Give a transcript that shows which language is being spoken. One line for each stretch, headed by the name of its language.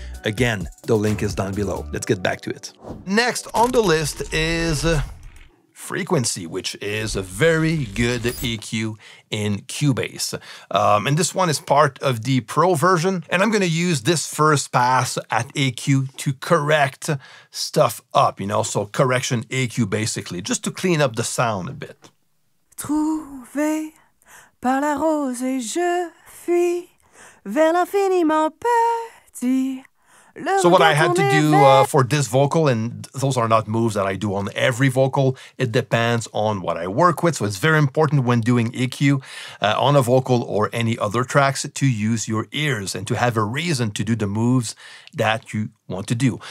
English: Again, the link is down below. Let's get back to it. Next on the list is frequency, which is a very good EQ in Cubase. And this one is part of the Pro version. And I'm gonna use this first pass at EQ to correct stuff up, you know? So correction EQ, basically, just to clean up the sound a bit.
French: Trouvé par la rose et je fuis vers l'infiniment petit.
English: So what I had to do for this vocal, and those are not moves that I do on every vocal, it depends on what I work with. So it's very important when doing EQ on a vocal or any other tracks to use your ears and to have a reason to do the moves that you want to do.